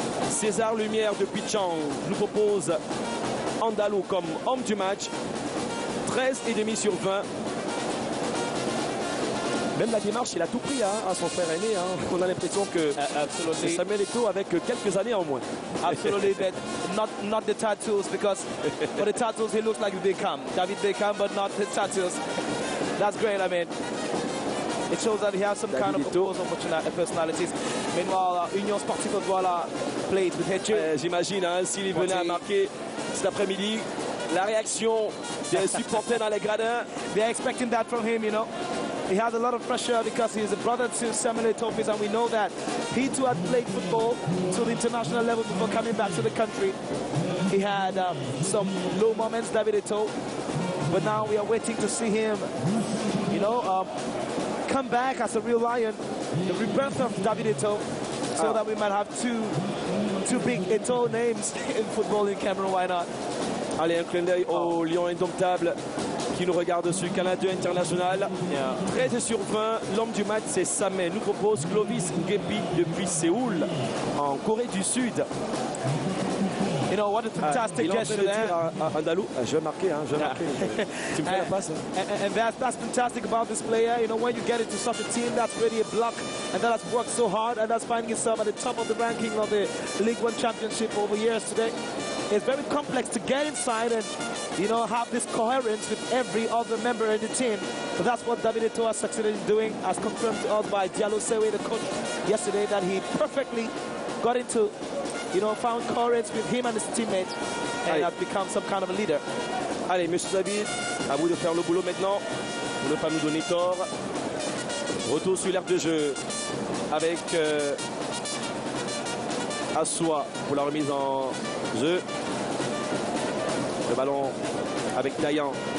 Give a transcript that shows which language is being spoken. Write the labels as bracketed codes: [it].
[fr] César Lumière de Pichang nous propose Andalou comme homme du match. 13,5 sur 20. Même la démarche, il a tout pris hein, à son frère aîné. Hein. On a l'impression que [en] absolutely. [fr] C'est Samuel Eto'o avec quelques années en moins. [en] Absolutely, but not the tattoos, because for the tattoos, he looks like Beckham. David Beckham, but not the tattoos. That's great, I mean. It shows that he has some David kind of opposite personalities. Meanwhile, Union Sportive Douala played with Eto'o. [fr] J'imagine, hein, s'il venait à marquer cet après-midi, la réaction des supporters dans les gradins. [en] They're expecting that from him, you know. He has a lot of pressure because he is a brother to Samuel Eto'o, and we know that he too had played football to the international level before coming back to the country. He had some low moments, David Eto'o, but now we are waiting to see him, you know, come back as a real lion, the rebirth of David Eto'o, so that we might have two big Eto'o names in football in Cameroon. Why not? [fr] Allez, un clin d'œil au Lion Indomptable qui nous regarde sur Canal 2 International. [en] Yeah. [fr] 13 sur 20, l'homme du match, c'est Samet. Nous propose Clovis Ngepi depuis Séoul, en Corée du Sud. [en] You know, what a fantastic gesture there. [fr] Andalou, je vais marquer, hein, je vais marquer. Tu me fais la passe. [en] And that's fantastic about this player. You know, when you get into such a team, that's really a block. And that has worked so hard, and that's finding itself at the top of the ranking of the League One Championship over years today. It's very complex to get inside and, you know, have this coherence with every other member of the team. But that's what David Eto'o has succeeded in doing, as confirmed to us by Diallo Sewe, the coach, yesterday, that he perfectly got into, you know, found coherence with him and his teammate and has become some kind of a leader. [fr] Allez, Monsieur David, à vous de faire le boulot maintenant. Vous ne pas nous donner tort. Retour sur l'air de jeu avec Assoua pour la remise en jeu. Le ballon avec Dayan.